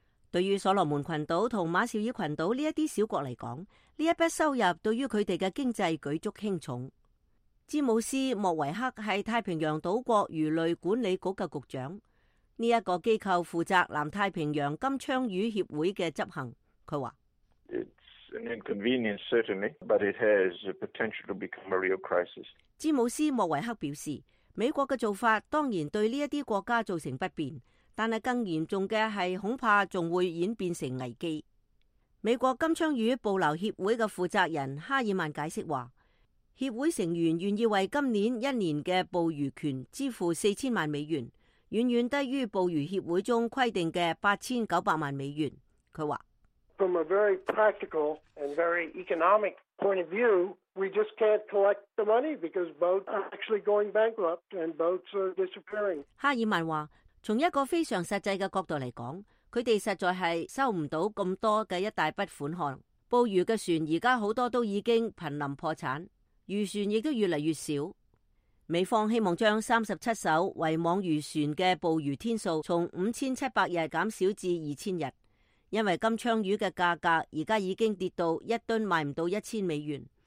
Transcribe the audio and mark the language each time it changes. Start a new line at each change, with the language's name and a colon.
Chinese: 对于所罗门群岛和马绍尔群岛这些小国来说，这一笔收入对于他们的经济举足轻重。詹姆斯·莫维克是太平洋岛国鱼类管理局的局长，这个机构负责南太平洋金枪鱼协会的执行。他说
English: It's an inconvenience, certainly, but it has a potential to become a real crisis.
Chinese: 詹姆斯·莫维克表示，美国的做法当然对这些国家造成不便，但是更严重的是恐怕还会演变成危机。美国金枪鱼捕捞协会的负责人哈尔曼解释说，协会成员愿意为今年一年的捕鱼权支付$40,000，远远低于捕鱼协会中规定的$89,000。他说
English: From a very practical and very economic point of view,We just can't collect the money because boats are actually going bankrupt and boats are disappearing.
Chinese: 哈尔曼说，从一个非常实际的角度来讲，他们实在是收不到这么多的一大笔款项。捕鱼的船现在很多都已经濒临破产，渔船也都越来越少。美方希望将37艘围网渔船的捕鱼天数从5700日减少至2000日，因为金枪鱼的价格现在已经跌到一吨卖不到$1,000。